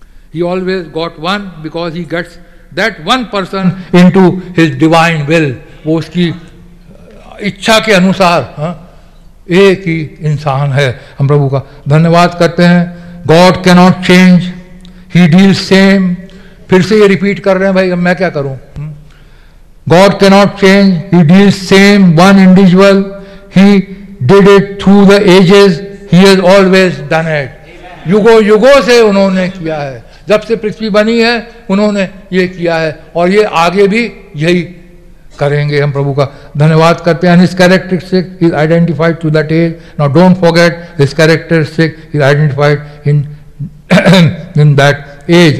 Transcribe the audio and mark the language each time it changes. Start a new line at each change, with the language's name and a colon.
English: He always got one because he gets that one person into his divine will.
Hindi: वो उसकी इच्छा के अनुसार एक ही इंसान है. हम प्रभु का धन्यवाद करते हैं.
English: God cannot change. He deals same.
Hindi: फिर से ये रिपीट कर रहे हैं भाई, मैं क्या करूं.
English: God cannot change. He deals same one individual. He did it through the ages. He has always done it.
Hindi: युगो युगो से उन्होंने किया है. जब से पृथ्वी बनी है उन्होंने ये किया है और ये आगे भी यही करेंगे. हम प्रभु का धन्यवाद करते हैं.
English: His characteristic is identified to that age. Now don't forget his characteristic is identified in that age.